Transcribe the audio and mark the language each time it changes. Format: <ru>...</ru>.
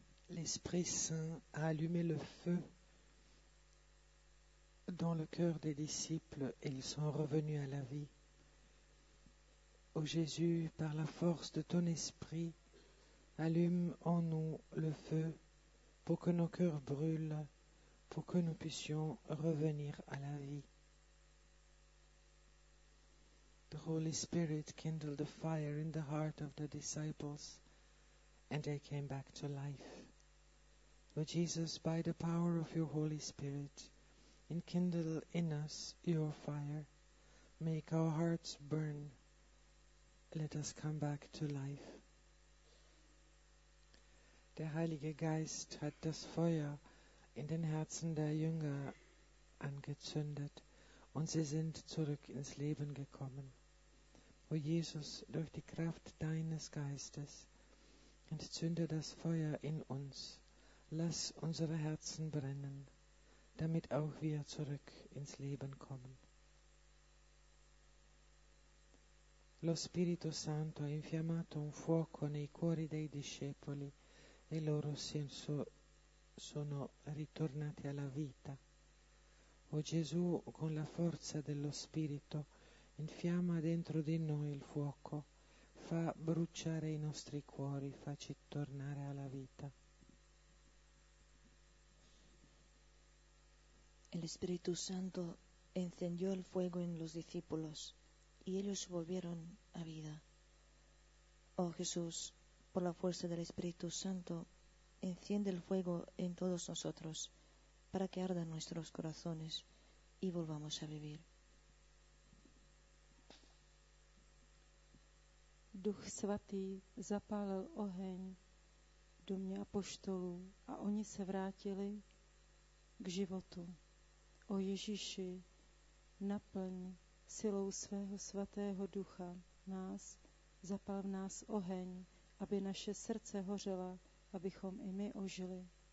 <fr>L'Esprit Saint a allumé le feu dans le cœur des disciples et ils sont revenus à la vie. Ô Jésus, par la force de ton esprit, allume en nous le feu pour que nos cœurs brûlent, pour que nous puissions revenir à la vie.</fr> <en>The Holy Spirit kindled the fire in the heart of the disciples and they came back to life. O Jesus, by the power of your Holy Spirit, enkindle in us your fire. Make our hearts burn. Let us come back to life.</en> <de>Der Heilige Geist hat das Feuer in den Herzen der Jünger angezündet und sie sind zurück ins Leben gekommen. O Jesus, durch die Kraft deines Geistes, entzünde das Feuer in uns. Lass unsere Herzen brennen, damit auch wir zurück ins Leben kommen.</de> <it>Lo Spirito Santo ha infiammato un fuoco nei cuori dei discepoli e loro sono ritornati alla vita. O Gesù, con la forza dello Spirito, infiamma dentro di noi il fuoco, fa bruciare i nostri cuori, facci tornare alla vita.</it> <es>El Espíritu Santo encendió el fuego en los discípulos y ellos volvieron a vida. Oh Jesús, por la fuerza del Espíritu Santo, enciende el fuego en todos nosotros para que ardan nuestros corazones y volvamos a vivir.</es> <cs>Duch Svatý zapálil oheň v domě apoštolů a oni se vrátili k životu. O Ježíši, naplň silou svého svatého ducha nás, zapal v nás oheň, aby naše srdce hořela, abychom i my ožili.</cs>